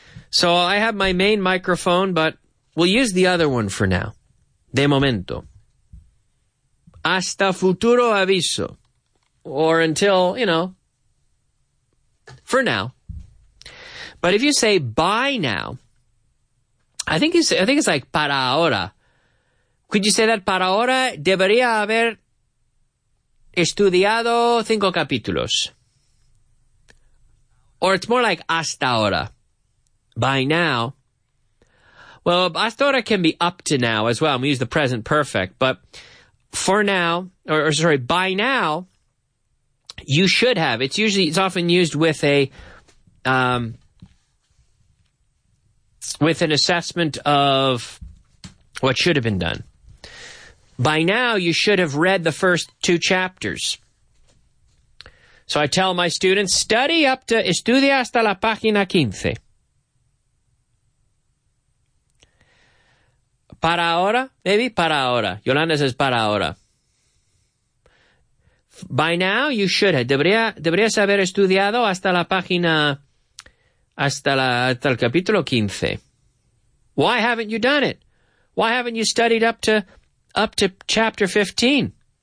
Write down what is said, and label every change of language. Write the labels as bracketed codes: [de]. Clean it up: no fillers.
[en] So I have my main microphone, but we'll use the other one for now. [es] De momento. Hasta futuro aviso. [en] Or until, you know, for now. But if you say by now, I think it's like [es] para ahora. [en] Could you say that [es] para ahora debería haber estudiado cinco capítulos? [en] Or it's more like [es] hasta ahora. [en] By now. Well, [es] hasta ahora [en] can be up to now as well. We use the present perfect. But for now, by now, you should have. It's often used with a with an assessment of what should have been done. By now, you should have read the first two chapters. So I tell my students, study up to, [es] estudia hasta la página 15. Para ahora, maybe? Para ahora. [en] Yolanda says, [es] para ahora. [en] By now, you should have. [es] Deberías haber estudiado hasta la página, hasta el capítulo 15. [en] Why haven't you done it? Why haven't you studied up to chapter 15?